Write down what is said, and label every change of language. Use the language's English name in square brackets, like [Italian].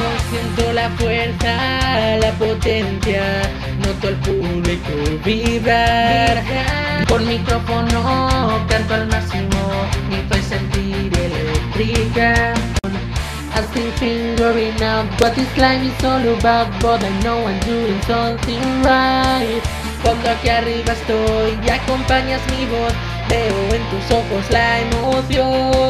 [Spanish] Siento la fuerza, la potencia, noto el público vibrar. Con micrófono canto al máximo, mi fe sentir eléctrica. [English] I still figuring out what this life is all about, but I know I'm doing something right. [Spanish] Cuando aquí arriba estoy y acompañas mi voz, veo en tus ojos la emoción.